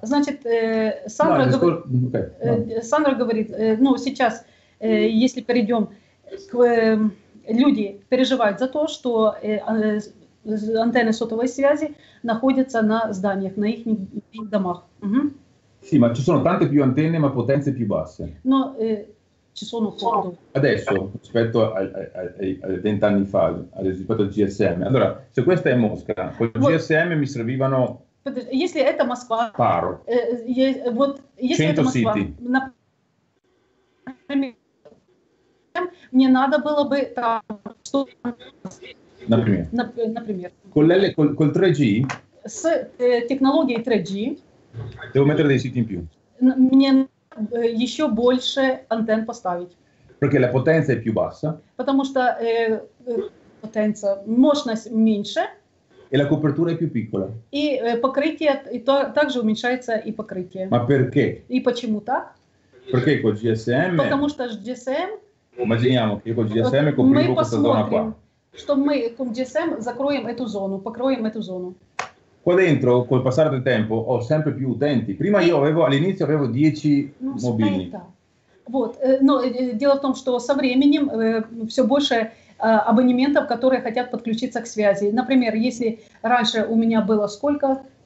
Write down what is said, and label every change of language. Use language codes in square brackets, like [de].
[ru] Значит, Сандра, Сандра говорит, ну, сейчас, если перейдем, люди переживают за то, что антенны сотовой связи находятся на зданиях, на их домах. Угу. [it] Sì, ma ci sono tante più antenne, ma potenze più basse. No, ci sono quanto? Adesso, rispetto ai 20 anni fa, rispetto al GSM. Allora, se questa è Mosca, con il GSM mi servivano... [ru] Если это Москва... [it] Paro. [ru] Вот, если 100 это Москва, [en] city. [ru] Мне надо было бы... Например. Например. [it] Col 3G? [ru] С технологией 3G... [it] Devo mettere dei siti in più. [ru] Мне еще больше антенн поставить. [it] Perché la potenza è più bassa. [ru] Потому что потенция, мощность меньше. [it] E la copertura è più piccola. [ru] И покрытие, и то, также уменьшается и покрытие. [it] Ma perché? [ru] И почему так? [it] Perché col GSM... [ru] Потому что GSM... [it] Immaginiamo che col GSM copriamo questa зона qua. [ru] Что мы con GSM закроем эту зону, покроем эту зону. [it] Qua dentro, col passare del tempo, ho sempre più utenti. Prima io avevo, all'inizio avevo 10 mobili. [ru] Вот, но дело в том, что со временем все больше абонементов, которые хотят подключиться к связи. Например, если раньше у меня было сколько?